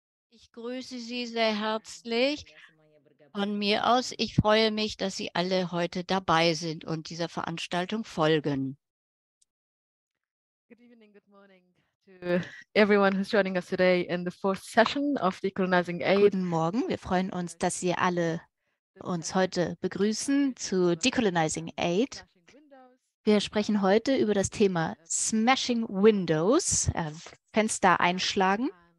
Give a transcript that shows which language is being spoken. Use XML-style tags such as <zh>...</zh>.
<de>Ich grüße Sie sehr herzlich von mir aus. Ich freue mich, dass Sie alle heute dabei sind und dieser Veranstaltung folgen.</de> <en>Good evening, good morning to everyone who's joining us today in the fourth session of Decolonizing Aid.</en> <de>Guten Morgen, wir freuen uns, dass Sie alle uns heute begrüßen zu Decolonizing Aid. Wir sprechen heute über das Thema Smashing Windows, Fenster einschlagen.</de>